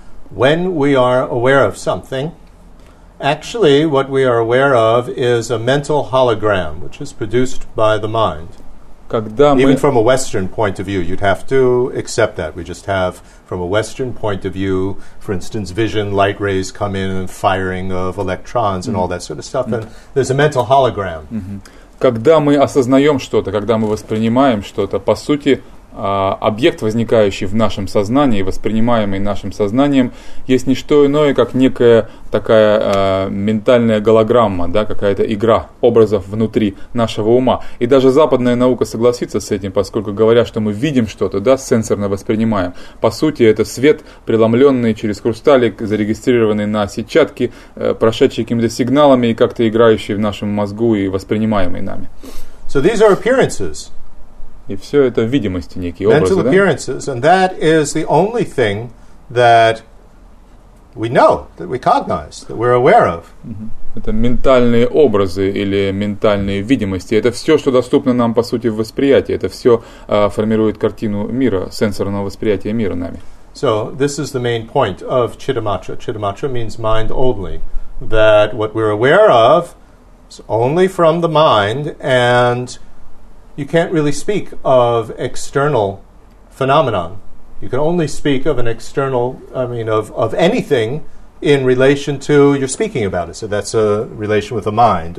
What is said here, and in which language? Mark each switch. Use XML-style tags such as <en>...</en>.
<en>When we are aware of something, actually what we are aware of is a mental hologram, which is produced by the mind.</en> <ru>Когда</ru> <en>Even from a Western point of view, you'd have to accept that. We just have, from a Western point of view, for instance, vision, light rays come in, and firing of electrons, mm-hmm. and all that sort of stuff. Mm-hmm. And there's a mental hologram. Mm-hmm.</en> <ru>Когда мы осознаем что-то, когда мы воспринимаем что-то, по сути, объект, возникающий в нашем сознании, воспринимаемый нашим сознанием, есть не что иное, как некая такая ментальная голограмма, да, какая-то игра образов внутри нашего ума. И даже западная наука согласится с этим, поскольку говорят, что мы видим что-то, да, сенсорно воспринимаем. По сути, это свет, преломленный через хрусталик, зарегистрированный на сетчатке, прошедший какими-то сигналами и как-то играющий в нашем мозгу и воспринимаемый нами.</ru> <en>So these are appearances.</en> <ru>И все это видимости, некие</ru> <en>mental</en> <ru>образы, да?</ru> <en>Appearances, and that is the only thing that we know, that we cognize, that we're aware of.</en> <ru>Это ментальные образы или ментальные видимости. Это все, что доступно нам, по сути, в восприятии. Это все формирует картину мира, сенсорного восприятия мира нами.</ru> <en>So this is the main point of chittamatra. Chittamatra means mind only. That what we're aware of is only from the mind, and you can't really speak of external phenomenon. You can only speak of an external, of anything in relation to you're speaking about it. So that's a relation with a mind.</en>